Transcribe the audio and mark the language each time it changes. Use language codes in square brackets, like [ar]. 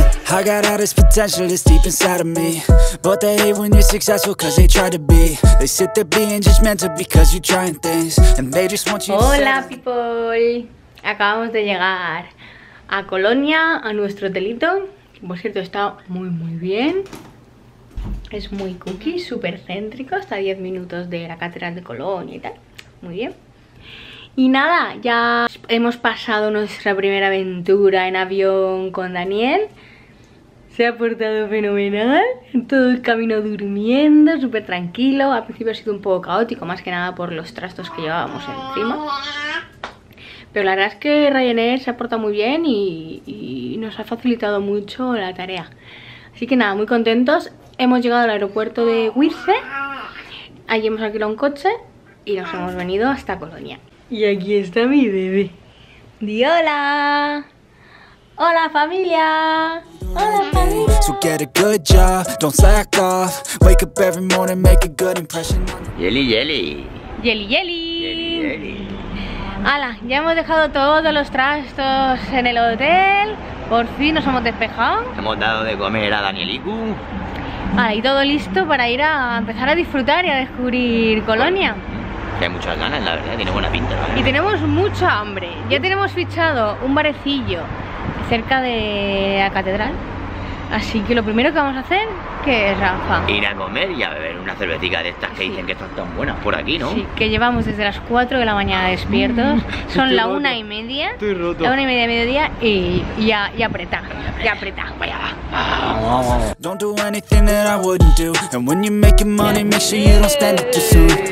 [en] I got all this potential that's deep inside of me. But they hate when you're successful cause they try to be. They sit there being judgmental because you're trying things. And they just want you to. [es] Hola, people. Acabamos de llegar a Colonia, a nuestro hotelito. Por cierto, está muy muy bien. Es muy cookie, súper céntrico. Está a 10 minutos de la Catedral de Colonia y tal. Muy bien. Y nada, ya hemos pasado nuestra primera aventura en avión con Daniel. Se ha portado fenomenal. Todo el camino durmiendo, súper tranquilo. Al principio ha sido un poco caótico, más que nada por los trastos que llevábamos encima. Pero la verdad es que Ryanair se ha portado muy bien y nos ha facilitado mucho la tarea. Así que nada, muy contentos. Hemos llegado al aeropuerto de Wizze. Allí hemos alquilado un coche y nos hemos venido hasta Colonia. Y aquí está mi bebé. ¡Di hola! ¡Hola, familia! ¡Hola, familia! [en] So get a good job, don't slack off. Wake up every morning, make a good impression. Yelly, yelly. Yelly, yelly. Yelly, yelly. [es] ¡Hala! Ya hemos dejado todos los trastos en el hotel. Por fin nos hemos despejado. Hemos dado de comer a Danielicu. Vale, y todo listo para ir a empezar a disfrutar y a descubrir Colonia. Bueno, hay muchas ganas, la verdad, tiene buena pinta, ¿verdad? Y tenemos mucha hambre. Ya tenemos fichado un barecillo cerca de la catedral. Así que lo primero que vamos a hacer, ¿qué es, Rafa? Ir a comer y a beber una cervecita de estas que sí. Dicen que están tan buenas por aquí, ¿no? Sí, que llevamos desde las 4 de la mañana despiertos. Son la 1 y media. Estoy roto. La 1 y media de mediodía y apretá. Ya apretá. Vaya va. [en] Don't do anything that I wouldn't do. And when you're making money, make sure you don't spend it too soon.